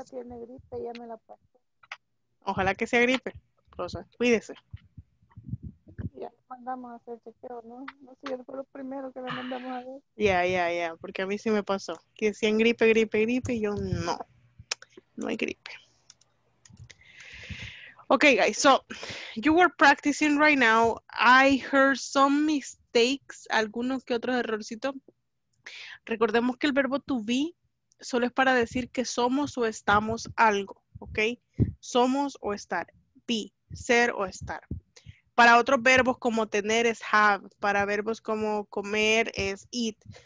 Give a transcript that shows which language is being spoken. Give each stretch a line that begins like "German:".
Spanish: Si tiene gripe, ya me la paso. Ojalá que sea gripe, Rosa. Cuídese. Mandamos a hacer chequeo, ¿no? No sé, fue lo primero que le mandamos a ver. Ya, porque a mí sí me pasó. Que decían gripe, gripe, gripe, y yo no. No hay gripe.
English: Okay, guys, so you were practicing right now. I heard some mistakes,
Spanish: algunos que otros errorcitos. Recordemos que el verbo to be solo es para decir que somos o estamos algo, okay? Somos o estar, be, ser o estar. Para otros verbos como tener es have, para verbos como comer es eat.